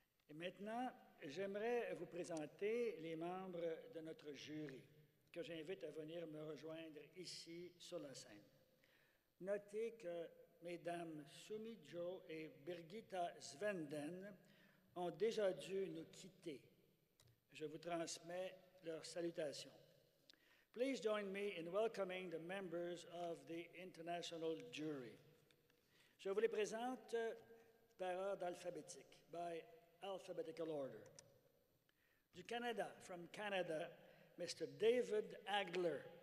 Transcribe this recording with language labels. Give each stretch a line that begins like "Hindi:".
French: Et maintenant, j'aimerais vous présenter les membres de notre jury, que j'invite à venir me rejoindre ici sur la scène. Notez que mesdames Sumi Jo et Birgitta Svenden ont déjà dû nous quitter. Je vous transmets leurs salutations.
English: Please join me in welcoming the members of the international jury.
French: Je vous les présente par ordre alphabétique,
English: by alphabetical order.
French: Du Canada,
English: from Canada, Mr. David Agler.